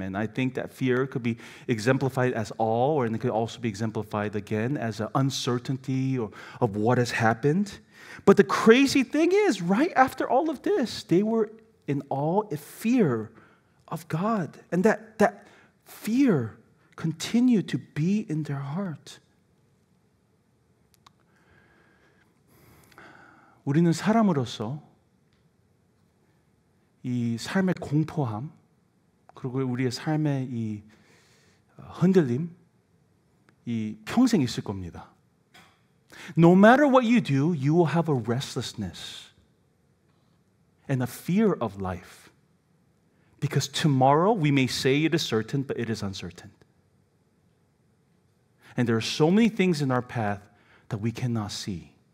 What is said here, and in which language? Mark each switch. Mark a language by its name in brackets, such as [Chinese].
[English] And I think that fear could be exemplified as awe, or it could also be exemplified again as an uncertainty or of what has happened. But the crazy thing is, right after all of this, they were in awe of fear of God. And that fear continue to be in their heart. [Korean] 우리는 사람으로서 이 삶의 공포함, 그리고 우리의 삶의 이 흔들림, 이 평생 있을 겁니다. [English] No matter what you do, you will have a restlessness and a fear of life. Because tomorrow we may say it is certain, but it is uncertain. And there are so many things in our path that we cannot see.